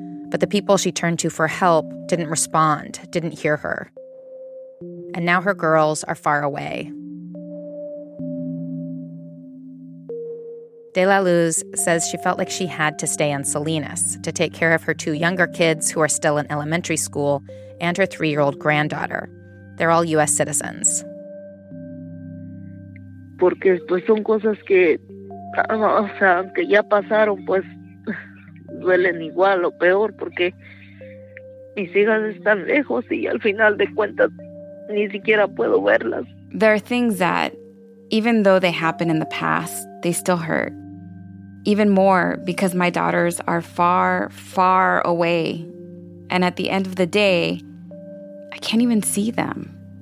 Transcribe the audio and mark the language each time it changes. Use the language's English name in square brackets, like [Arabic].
[English] But the people she turned to for help didn't respond, didn't hear her. And now her girls are far away. De La Luz says she felt like she had to stay in Salinas to take care of her two younger kids who are still in elementary school and her three-year-old granddaughter. They're all U.S. citizens. [Spanish] Porque pues son cosas que, o sea, que ya pasaron, pues duelen igual o peor porque mis hijas están lejos y al final de cuentas ni siquiera puedo verlas. [English] There are things that, even though they happened in the past, they still hurt. Even more because my daughters are far, far away. And at the end of the day, I can't even see them.